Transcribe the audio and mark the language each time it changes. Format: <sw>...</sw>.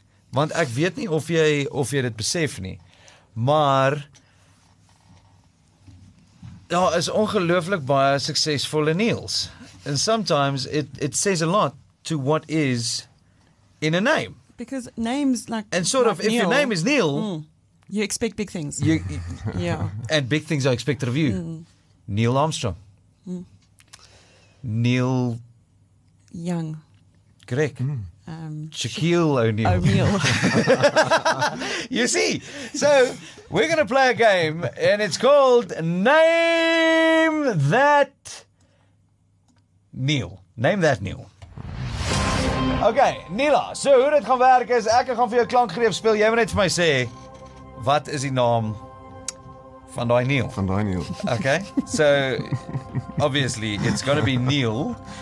<af>Want ek weet nie of jy dit besef nie, maar daar is ongelooflik baie suksesvolle Niels.</af> <en>And sometimes it says a lot to what is in a name. Because names like and sort like of, Neil, if your name is Neil, You expect big things. Yeah. And big things I expect of you. Mm. Neil Armstrong. Mm. Neil Young. Greg. Shaquille O'Neal. You see? So, we're going to play a game, and it's called Name That Neil. Name That Neil. Okay, Nila.</en> <af>So, hoe dit gaan werk is, ek gaan vir jou klankgreep speel. Jy moet net vir my sê, wat is die naam van daai Neil? Van daai Neil.</af> <en>Okay, so, obviously, it's going to be Neil.</en>